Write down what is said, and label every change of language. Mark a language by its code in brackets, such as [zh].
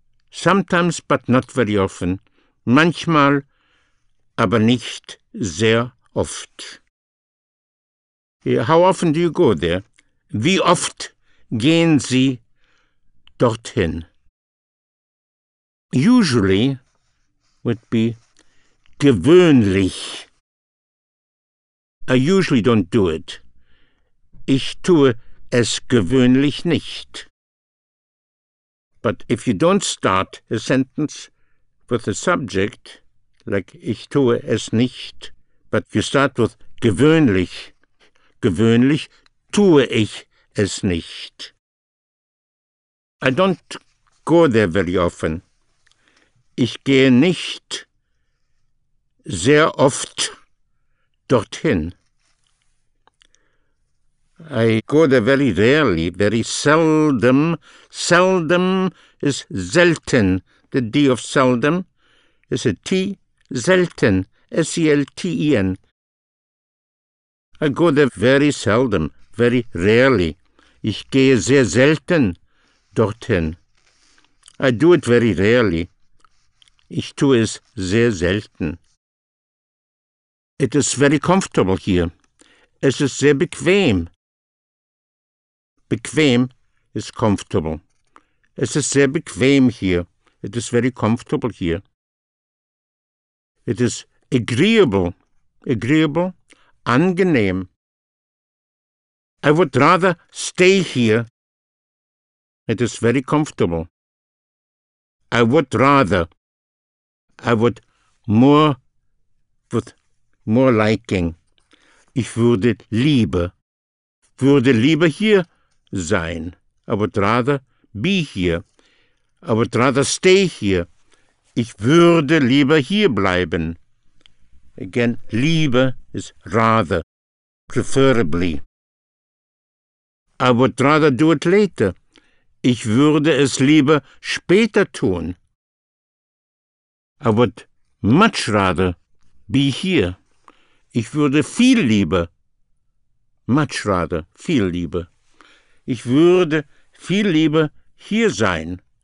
[en] Sometimes, but not very often. [de] Manchmal, aber nicht sehr oft. [en] How often do you go there? [de] Wie oft gehen Sie dorthin? [en] Usually would be gewöhnlich. I usually don't do it. [de] Ich tue es gewöhnlich nicht. [en] But if you don't start a sentence with a subject, like [de] ich tue es nicht, [en] but you start with gewöhnlich, [de] gewöhnlich tue ich es nicht. [en] I don't go there very often. [de] Ich gehe nicht sehr oft dorthin. [en] I go there very rarely, very seldom. Seldom is selten. The D of seldom is a T. Selten, S-E-L-T-E-N. I go there very seldom, very rarely. [de] Ich gehe sehr selten dorthin. [en] I do it very rarely. [de] Ich tue es sehr selten. [en] It is very comfortable here. [de] Es ist sehr bequem. [en] Bequem is comfortable. [de] Es ist sehr bequem hier. [en] It is very comfortable here. It is agreeable. Agreeable, angenehm. I would rather stay here. It is very comfortable. I would rather. I would more, with more liking. [de] Ich würde lieber. Würde lieber hier sein. [en] I would rather be here. I would rather stay here. [de] Ich würde lieber hier bleiben. [en] Again, lieber is rather, preferably. I would rather do it later. [de] Ich würde es lieber später tun. [en] I would much rather be here. [de] Ich würde viel lieber, [en] much rather, [de] viel lieber. Ich würde viel lieber hier sein.